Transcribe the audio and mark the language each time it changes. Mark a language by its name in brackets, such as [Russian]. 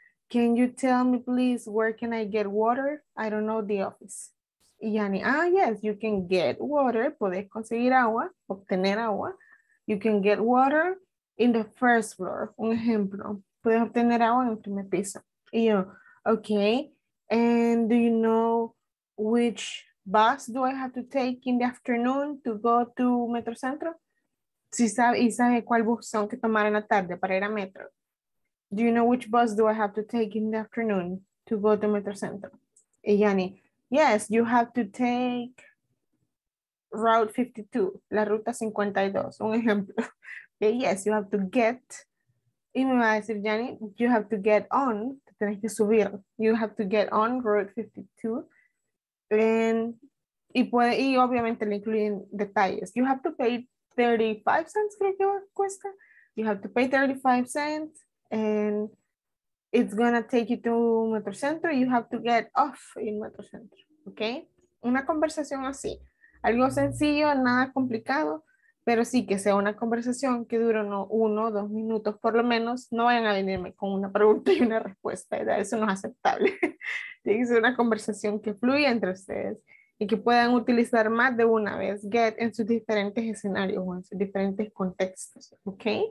[English] Can you tell me, please, where can I get water? I don't know the office. [Spanish] Y Jani, ah, [English] yes, you can get water. [Spanish] Puedes conseguir agua, obtener agua. [English] You can get water in the first floor. [Spanish] Un ejemplo, puedes obtener agua en el primer piso. Y yo, [English] okay, and do you know which bus do I have to take in the afternoon to go to Metro Centro? [Spanish] Si sabe, y sabe cuál bus son que tomar en la tarde para ir a Metro. [English] Do you know which bus do I have to take in the afternoon to go to Metro Centro? Y Yanni, yes, you have to take Route 52, [Spanish] la ruta 52, un ejemplo. [English] Okay, yes, you have to get, [Spanish] y me va a decir [English] Yanni, you have to get on, [Spanish] tienes que subir. [English] You have to get on Route 52. [Spanish] Y obviamente le incluyen detalles. [English] You have to pay 35 cents, [Spanish] creo que cuesta. [English] You have to pay 35 cents and it's gonna take you to Metro Centro. You have to get off in Metro Centro. [Spanish] Okay? Una conversación así. Algo sencillo, nada complicado, pero sí que sea una conversación que dure uno o dos minutos por lo menos. No vayan a venirme con una pregunta y una respuesta, ¿verdad? Eso no es aceptable. Tiene que ser una conversación que fluya entre ustedes y que puedan utilizar más de una vez get en sus diferentes escenarios o en sus diferentes contextos, ¿ok?